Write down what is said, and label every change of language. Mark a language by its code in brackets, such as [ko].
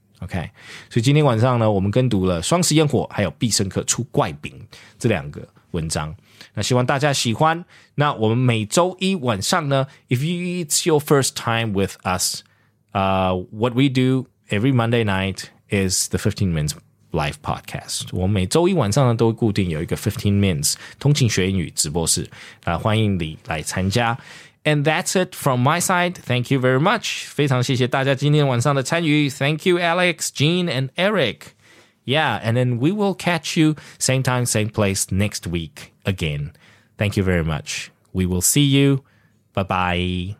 [zh] OK， 所以今天晚上呢，我们跟读了《双十烟火》还有《必胜客出怪饼》这两个文章。那希望大家喜欢。那我们每周一晚上呢 [en] ，If it's your first time with us， what we do every Monday night is the 15 Minutes Live Podcast。 [zh] 我们每周一晚上呢，都会固定有一个15 Minutes 通勤学英语直播室，欢迎你来参加。 [en] And that's it from my side. Thank you very much. [zh] 非常谢谢大家今天晚上的参与。 [en] Thank you, Alex, Jean, and Eric. Yeah, and then we will catch you same time, same place next week again. Thank you very much. We will see you. Bye-bye.